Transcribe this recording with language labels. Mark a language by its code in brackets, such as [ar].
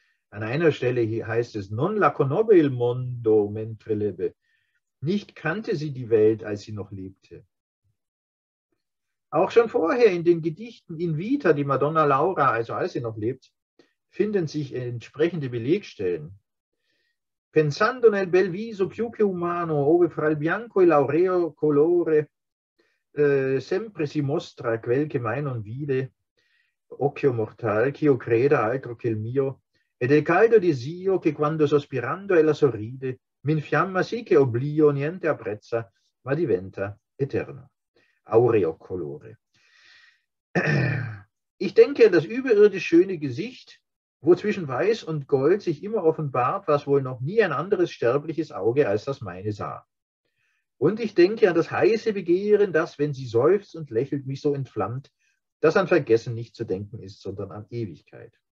[de] An einer Stelle hier heißt es, [it] non la conobbe il mondo mentre lebe. [de] Nicht kannte sie die Welt, als sie noch lebte. Auch schon vorher in den Gedichten In Vita, die Madonna Laura, also als sie noch lebt, finden sich entsprechende Belegstellen. [it] Pensando nel bel viso più che umano, ove fra il bianco e l'aureo colore, sempre si mostra quel che mai non vide, occhio mortal, ch'io creda altro che il mio, ed il caldo desio che quando sospirando ella sorride, m'infiamma sì che oblio niente apprezza, ma diventa eterno. Aureo colore. [de] Ich denke, das überirdisch schöne Gesicht, wo zwischen Weiß und Gold sich immer offenbart, was wohl noch nie ein anderes sterbliches Auge als das meine sah. Und ich denke an das heiße Begehren, das, wenn sie seufzt und lächelt, mich so entflammt, dass an Vergessen nicht zu denken ist, sondern an Ewigkeit.